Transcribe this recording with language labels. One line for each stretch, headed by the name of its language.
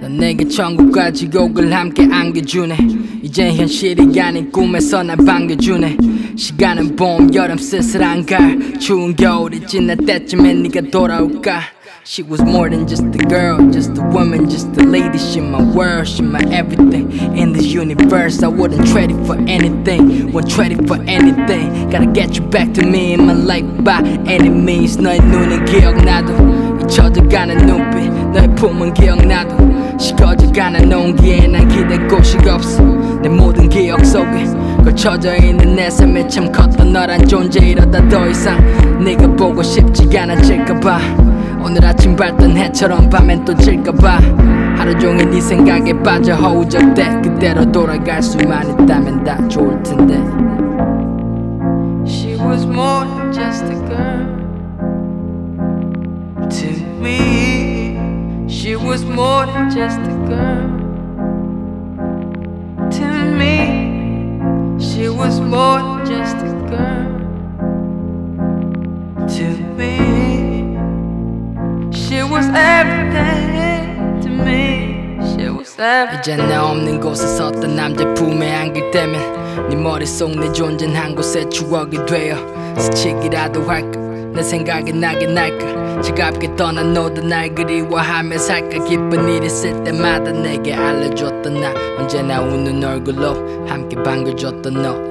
Korean: 넌 내게 천국과 지옥을 함께 안겨주네. 이제 현실이 아닌 꿈에서 날 반겨주네. 시간은 봄 여름 쓸쓸한 가을 추운 겨울이 지날 때쯤에 네가 돌아올까.
English: She was more than just a girl, just a woman, just a lady. She my world, she my everything. In this universe I wouldn't trade it for anything. Wouldn't trade it for anything. Gotta get you back to me in my life by any means.
Korean: 너의 눈은 기억나도 젖어가는 눈빛, 너의 품은 기억나도 식어져가는 농기에 난 기댈 곳이 없어. 내 모든 기억 속에 걸쳐져 있는 내 삶에 참 컸던 너란 존재. 이러다 더 이상 네가 보고 싶지 않아질까봐. 오늘 아침 밝던 해처럼 밤엔 또 질까봐. 하루 종일 네 생각에 빠져 허우적대. 그대로 돌아갈 수만 있다면 다 좋을 텐데.
English: She was more than just a girl. To me, she was more than just a girl. To me, she was more than just a girl. To me, she was everything. To me, she was everything.
Korean: 이제 나 없는 곳에서 어떤 남자 품에 안길 때면 네 머릿속 내 존재는 한 곳의 추억이 되어 스치기라도 할까. 내 생각이 나게 날까. 차갑게 떠난 너도 날 그리워하며 살까. 기쁜 일 있을 때마다 내게 알려줬던 나. 언제나 웃는 얼굴로 함께 반겨줬던 너.